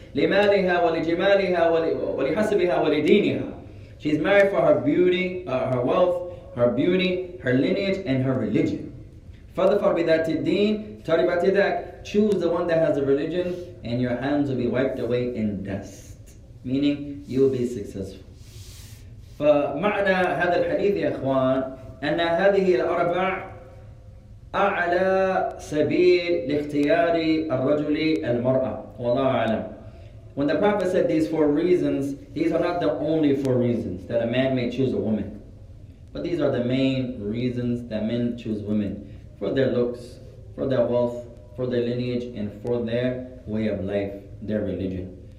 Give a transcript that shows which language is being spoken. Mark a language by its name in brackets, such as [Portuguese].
[Arabic] Limaliha wa lijimaliha wa lihasbiha wa lidiniha. [English] She's married for her beauty, her wealth, her beauty, her lineage, and her religion. Choose the one that has a religion and your hands will be wiped away in dust. Meaning, you'll be successful. [Arabic] فمعنى هذا الحديث يا أخوان أن هذه الأربع أعلى سبيل لاختيار الرجل المرأة والله أعلم. [English] When the Prophet said these four reasons, these are not the only four reasons that a man may choose a woman. But these are the main reasons that men choose women. For their looks, for their wealth, for their lineage, and for their way of life, their religion.